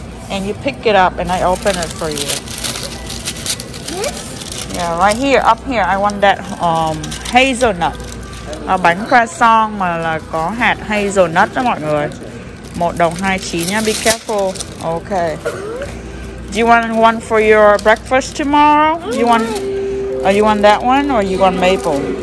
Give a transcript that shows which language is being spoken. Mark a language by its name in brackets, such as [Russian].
[English] And you pick it up and I open it for you. Yeah, right here, up here, I want that hazelnut. [Vietnamese] Bánh croissant mà là có hạt hazelnut đó mọi người. 1 đồng 29 nha, [English] be careful. [Vietnamese] Okay. [English] Do you want one for your breakfast tomorrow? You want you want that one or you want maple?